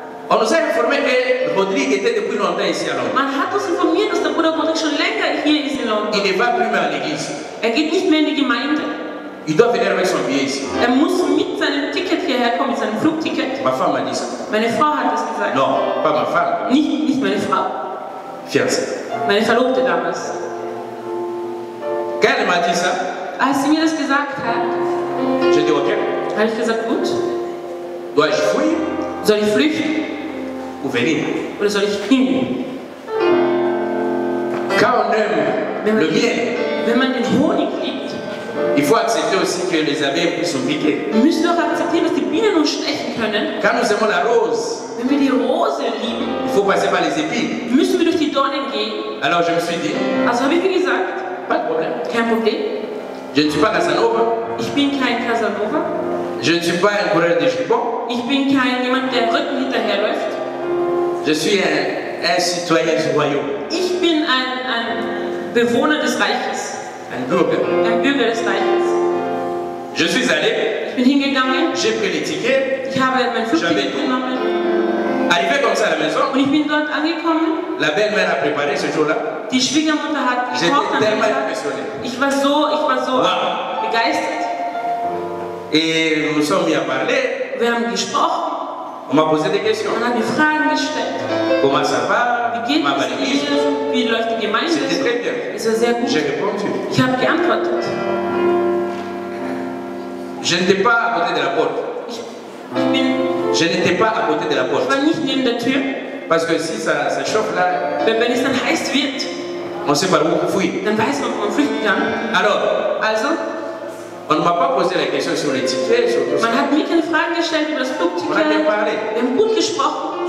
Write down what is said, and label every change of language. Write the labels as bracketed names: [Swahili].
[French] On nous a informé que Rodrigue était depuis longtemps ici à Londres. [German] Man hat uns informiert, dass der Bruder Rodrigue schon länger hier ist in London. [French] Il ne va plus [German] mehr [French] à l'église. [German] Er geht nicht mehr in die Gemeinde. [French] Il doit venir avec son billet ici. [German] Er muss mit seinem Ticket hierher kommen, mit seinem Flugticket. [French] Ma femme m'a dit ça. [German] Meine Frau hat das gesagt. [French] Non, pas ma femme. [German] Nicht meine Frau. [French] Fiancée. [German] Meine Verlobte damals. [French] Quand elle m'a dit ça? [German] Als sie mir das gesagt hat. [French] Je dis ok. [German] Habe ich gesagt gut. [French] Dois-je fuir? [German] Soll ich flüchten? [French] Ou venir? [German] Oder soll ich hin? [French] Quand on aime le miel. [German] Wenn man den Honig liebt. [French] Il faut accepter aussi que les abeilles sont piquées. [German] Wir müssen auch akzeptieren, dass die Bienen uns stechen können. [French] Quand nous aimons la rose. [German] Wenn wir die Rose lieben. [French] Il faut passer par les épines. [German] Müssen wir durch die Dornen gehen. [French] Alors je me suis dit. [German] Also habe ich mir gesagt. [French] Pas de problème. [German] Kein Problem. [French] Je ne suis pas Casanova. [German] Ich bin kein Casanova. [French] Je ne suis pas un coureur de jupons. [German] Ich bin kein jemand, der Rücken hinterherläuft. [French] Je suis un citoyen du royaume. [German] Ich bin ein Bewohner des Reiches. Ein Bürger. Ein Bürger des Reiches. [French] Je suis allé. [German] Ich bin hingegangen. [French] J'ai pris les tickets. [German] Ich habe mein Flugticket genommen. [French] Arrivé comme ça à la maison. [German] Und ich bin dort angekommen. [French] La belle-mère a préparé ce jour-là. [German] Die Schwiegermutter hat gekocht. [French] J'étais tellement impressionné. [German] Ich war so wow. Begeistert. [French] Et nous sommes mis à parler. [German] Wir haben gesprochen. [French] On m'a posé des questions. On a des [German] Fragen gestellt. [French] Comment ça va? [German] Wie geht es dir? Wie läuft die Gemeinde? [French] C'était très bien. [German] Es war sehr gut. [French] J'ai répondu. [German] Ich habe geantwortet. [French] Je n'étais pas à côté de la porte. [German] Ich [French] Je n'étais pas à côté de la porte. [German] Ich war nicht neben der Tür. [French] Parce que si ça, ça chauffe là, [German] wenn es dann heiß wird, [French] on sait pas où on fuit. [German] Dann weiß man, wo man flüchten kann. [French] Alors, [German] also, [French] on ne m'a pas posé la question sur les tickets. [German] Man hat mir keine Fragen gestellt über das Flugticket. [French] On a bien parlé. [German] Wir haben gut gesprochen.